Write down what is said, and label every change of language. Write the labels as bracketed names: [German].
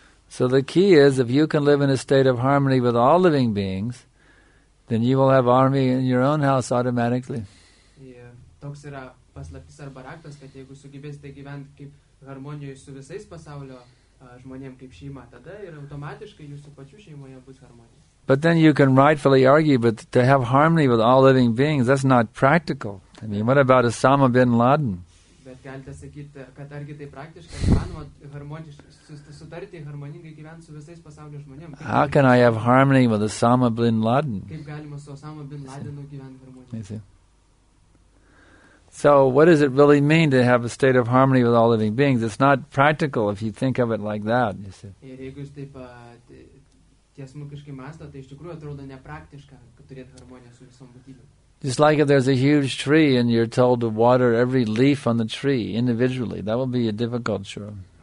[English] So the key is, if you can live in a state of harmony with all living beings, then you will have harmony in your own house automatically. [Lithuanian] Toks yra paslaptis arba raktas, kad jeigu sugebėsite gyventi kaip harmonijoje su visais pasaulio žmonėm kaip šeima, tada ir automatiškai jūsų pačių šeimoje bus harmonija. [English] But then you can rightfully argue, but to have harmony with all living beings, that's not practical. I mean, what about Osama bin Laden? [Lithuanian] Bet galite sakyti, kad argi tai praktiškai, manoma harmoniškai sutarti harmoningai gyventi su visais pasaulio žmonėm. [English] How can I have harmony with Osama bin Laden? [Lithuanian] Kaip galima su Osama bin Ladenu gyventi harmoniškai? [English] So what does it really mean to have a state of harmony with all living beings? It's not practical if you think of it like that, you see. Just like if there's a huge tree and you're told to water every leaf on the tree individually, that would be a difficult chore.